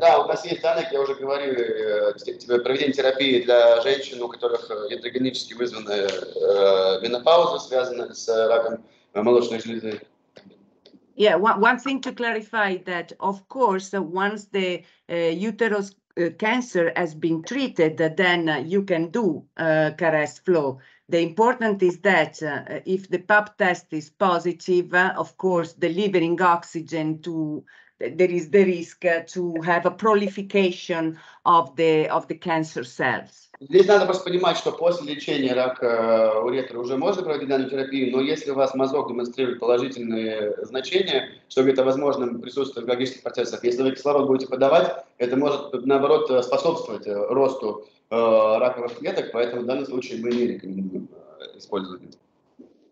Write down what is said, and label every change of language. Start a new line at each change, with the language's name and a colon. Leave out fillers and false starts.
Russian: Да, у нас есть данные, как я уже говорил, проведение терапии для женщин, у которых иатрогенически вызвана менопауза, связанная с раком молочной железы.
English: Yeah, one thing to clarify that, of course, once the uterus cancer has been treated, then you can do CAR-S flow. The important is that if the PAP test is positive, of course, delivering oxygen to there is the risk to have a proliferation of the cancer cells.
Russian: Здесь надо просто понимать, что после лечения рака уретры уже можно проводить данную терапию, но если у вас мазок демонстрирует положительные значения, чтобы это возможно присутствовать в биологических процессах, если вы кислород будете подавать, это может наоборот способствовать росту раковых клеток, поэтому в данном случае мы не рекомендуем использовать это.